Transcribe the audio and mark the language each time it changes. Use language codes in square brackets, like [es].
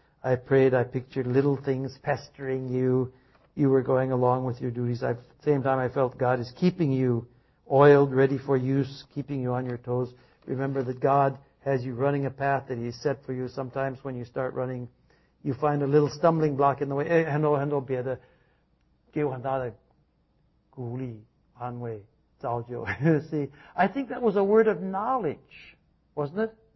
[en] I prayed, I pictured little things pestering you. You were going along with your duties. At the same time, I felt God is keeping you oiled, ready for use, keeping you on your toes. Remember that God has you running a path that He has set for you. Sometimes when you start running, you find a little stumbling block in the way. [zh] 很多别的给我很大的鼓励、安慰、造就。 [en] See, I think that was a word of knowledge, wasn't it?